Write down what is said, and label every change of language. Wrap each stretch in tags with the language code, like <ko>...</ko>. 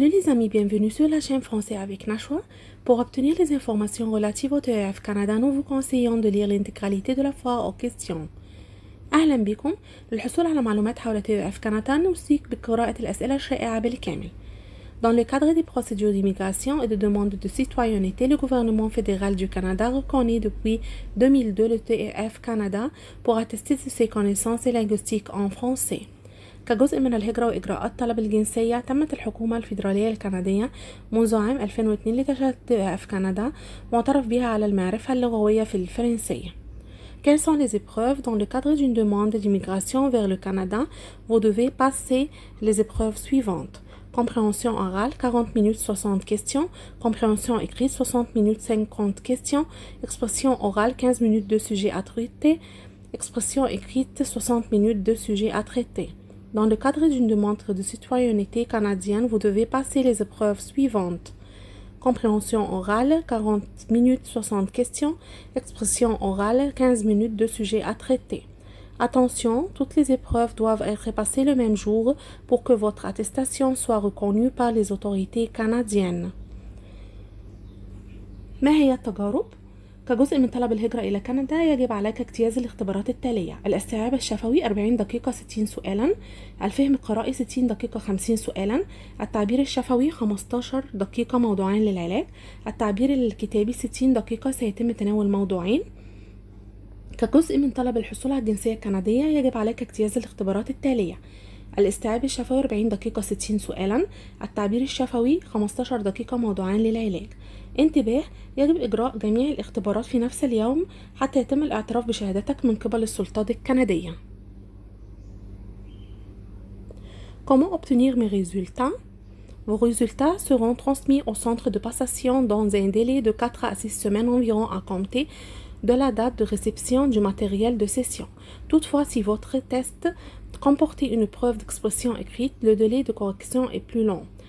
<fr>amis, bienvenue sur la chaîne Français avec Nachwa. Pour obtenir les informations relatives au TEF Canada, nous vous conseillons de lire l'intégralité de la foire aux questions.</fr> <ar>أهلا بكم للحصول على معلومات حول TEF Canada نوصيك بقراءة الأسئلة الشائعة بالكامل.</ar> <fr>Dans le cadre des procédures d'immigration et de demande de citoyenneté, le gouvernement fédéral du Canada reconnaît depuis 2002 le TEF Canada pour attester de ses connaissances linguistiques en français.</fr> <ar>كجزء من الهجرة وإجراءات طلب الجنسية، تمت الحكومة الفيدرالية الكندية منذ عام 2002 لتشهد TEF كندا معترف بها على المعرفة اللغوية في الفرنسية.</ar> <fr>Quelles sont les épreuves dans le cadre d'une demande d'immigration vers le Canada? Vous devez passer les épreuves suivantes. Compréhension orale, 40 minutes 60 questions. Compréhension écrite, 60 minutes 50 questions. Expression orale, 15 minutes de sujet à traiter. Expression écrite, 60 minutes de sujet à traiter. Dans le cadre d'une demande de citoyenneté canadienne, vous devez passer les épreuves suivantes. Compréhension orale, 40 minutes 60 questions. Expression orale, 15 minutes de sujet à traiter. Attention, toutes les épreuves doivent être passées le même jour pour que votre attestation soit reconnue par les autorités canadiennes.</fr> <ar>Ma hiya at-tajarib? كجزء من طلب الهجرة إلى كندا يجب عليك اجتياز الاختبارات التالية: الاستيعاب الشفوي 40 دقيقة 60 سؤالا، الفهم القرائي 60 دقيقة 50 سؤالا، التعبير الشفوي 15 دقيقة موضوعين للعلاج، التعبير الكتابي 60 دقيقة سيتم تناول موضوعين. كجزء من طلب الحصول على الجنسية الكندية يجب عليك اجتياز الاختبارات التالية: الاستيعاب الشفوي 40 دقيقة 60 سؤالا، التعبير الشفوي 15 دقيقة موضوعين للعلاج. انتباه، يجب إجراء جميع الاختبارات في نفس اليوم حتى يتم الاعتراف بشهادتك من قبل السلطات الكندية.</ar> <fr>Comment obtenir mes résultats? Vos résultats seront transmis au centre de passation dans un délai de 4 à 6 semaines environ à compter de la date de réception du matériel de session. Toutefois, si votre test comportait une preuve d'expression écrite, le délai de correction est plus long.</fr>